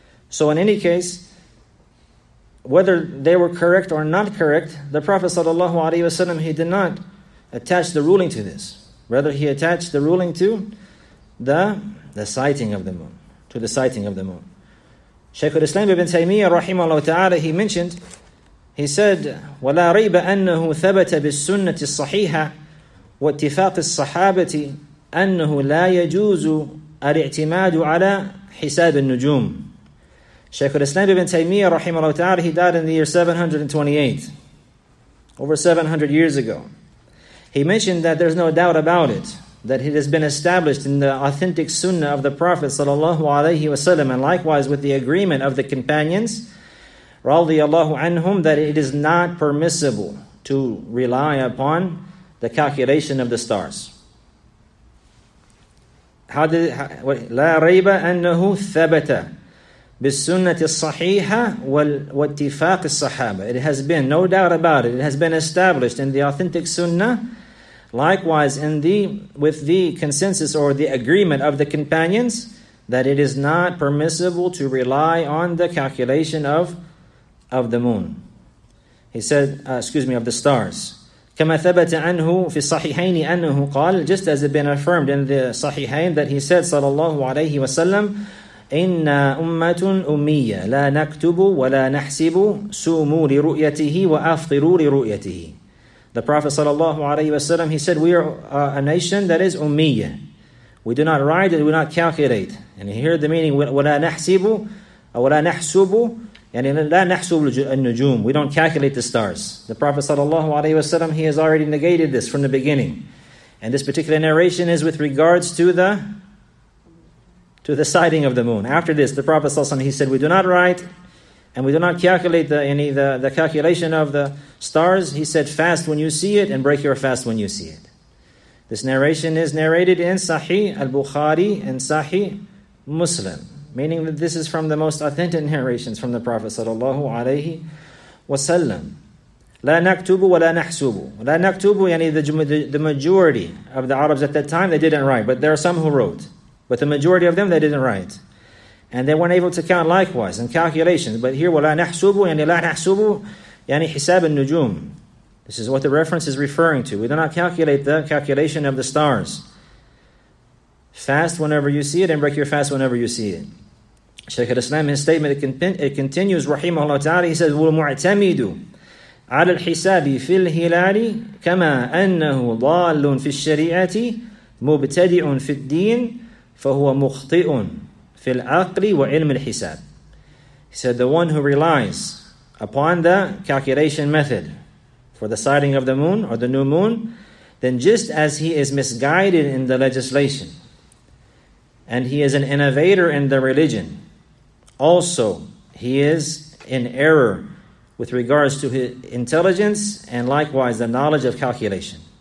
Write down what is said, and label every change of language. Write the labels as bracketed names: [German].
[English] So in any case, whether they were correct or not correct, the Prophet sallallahu alaihi wasallam, he did not attach the ruling to this. Rather, he attached the ruling to the sighting of the moon. To the sighting of the moon. Shaykh al-Islam ibn Taymiyyah rahimahullah ta'ala, he mentioned, he said, [Arabic] وَلَا رَيْبَ أَنَّهُ ثَبَتَ بِالسُّنَّةِ الصَّحِيحَةِ وَاتِّفَاقِ الصَّحَابَةِ أَنَّهُ لَا يَجُوزُ الْاِعْتِمَادُ عَلَى حِسَابِ النُّجُومِ. [English] Shaykh al-Islam ibn Taymiyyah rahimahullah ta'ala, he died in the year 728, over 700 years ago. He mentioned that there's no doubt about it, that it has been established in the authentic sunnah of the Prophet sallallahu alayhi wasallam, and likewise with the agreement of the companions radiyallahu anhum, that it is not permissible to rely upon the calculation of the stars. [Arabic] لا ريب أنه ثبت بالسنة الصحيحة واتفاق الصحابة. [English] It has been, no doubt about it, it has been established in the authentic sunnah, likewise in the with the consensus or the agreement of the companions, that it is not permissible to rely on the calculation of the moon. He said, of the stars. [Arabic] كما ثبت عنه في الصحيحين أنه قال, [English] just as it been affirmed in the صحيحين that he said [Arabic] صلى الله عليه وسلم, إن أمة أمية لا نكتب ولا نحسب سوموا لرؤيته وأفطروا لرؤيته. [English] The Prophet sallallahu alaihi wasallam, he said, we are a nation that is ummiyyah. We do not write and we do not calculate. And here the meaning, [Arabic] وَلَا نَحْسِبُ وَلَا نَحْسُبُ يعني لَا نَحْسُبُ النُّجُومُ. [English] We don't calculate the stars. The Prophet sallallahu alaihi wasallam, he has already negated this from the beginning. And this particular narration is with regards to the sighting of the moon. After this, the Prophet sallallahu alaihi wasallam, he said, we do not write and we do not calculate the calculation of the stars. He said, fast when you see it and break your fast when you see it. This narration is narrated in Sahih al-Bukhari and Sahih Muslim. Meaning that this is from the most authentic narrations from the Prophet sallallahu alayhi wasallam. [Arabic] لا نكتب ولا نحسب. لا نكتب, يعني [English] the majority of the Arabs at that time, they didn't write. But there are some who wrote. But the majority of them, they didn't write. And they weren't able to count likewise in calculations. But here, [Arabic] وَلَا نَحْسُبُ يَنِي لَا نَحْسُبُ يَنِي حِسَابِ النُّجُومِ. [English] This is what the reference is referring to. We do not calculate the calculation of the stars. Fast whenever you see it and break your fast whenever you see it. Shaykh al-Islam, his statement, it continues, رحمه الله تعالى, he says, [Arabic] وَالْمُعْتَمِدُ عَلَى الْحِسَابِ فِي الْهِلَالِ كَمَا أَنَّهُ ضَالٌ فِي الشَّرِيعَةِ مُبْتَدِعٌ فِي الدِّينِ فَهُوَ مُخْطِئٌ. [English] He said, the one who relies upon the calculation method for the sighting of the moon or the new moon, then just as he is misguided in the legislation and he is an innovator in the religion, also he is in error with regards to his intelligence and likewise the knowledge of calculation.